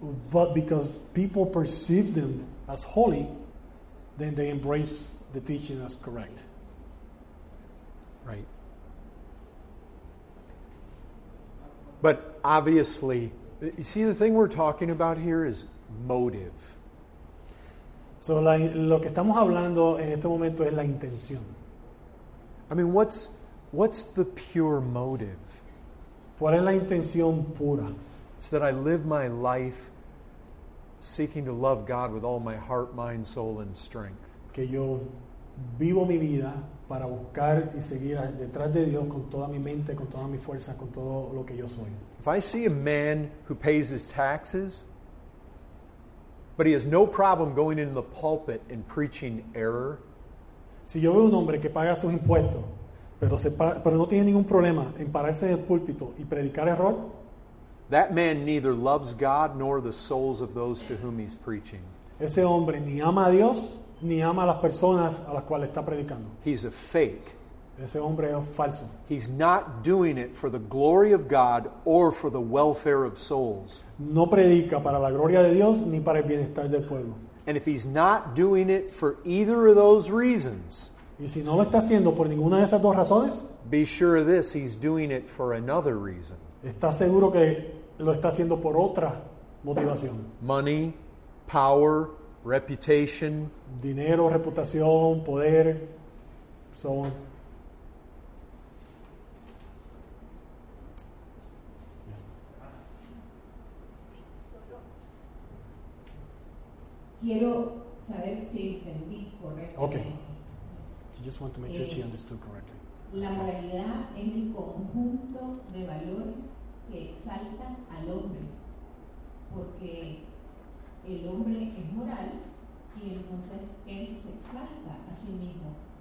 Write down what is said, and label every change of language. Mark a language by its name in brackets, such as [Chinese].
[English] But because people perceive them as holy, then they embrace the teaching as correct. Right. But obviously, you see, the thing we're talking about here is motive. [Spanish] So, lo que estamos hablando en este momento es la intención. [English] I mean, what's the pure motive? [Spanish] ¿Cuál es la intención pura? [English] It's that I live my life seeking to love God with all my heart, mind, soul, and strength. [Spanish] Que yo vivo mi vida para buscar y seguir detrás de Dios con toda mi mente, con toda mi fuerza, con todo lo que yo soy. [English] If I see a man who pays his taxes, but he has no problem going in the pulpit and preaching error. [Spanish] Si yo veo un hombre que paga sus impuestos, pero no tiene ningún problema en pararse en el púlpito y predicar error. [English] That man neither loves God nor the souls of those to whom he's preaching. [Spanish] Ese hombre ni ama a Dios ni ama a las personas a las cuales está predicando. [English] He's a fake. [Spanish] Ese hombre es falso. [English] He's not doing it for the glory of God or for the welfare of souls. [Spanish] No predica para la gloria de Dios ni para el bienestar del pueblo. [English] And if he's not doing it for either of those reasons, [Spanish] y si no lo está haciendo por ninguna de esas dos razones, [English] be sure of this, he's doing it for another reason. [Spanish] Está seguro que lo está haciendo por otra motivación. [English] Money, power, reputation, [Spanish] dinero, reputación, poder, [English] so on. Yes. [Spanish] Quiero saber si entendí correctamente. [English] Okay. She just want to make sure she understood correctly. [Spanish] La moralidad es el conjunto de valores que exalta al hombre, porque el hombre es moral y entonces él se exalta a sí mismo.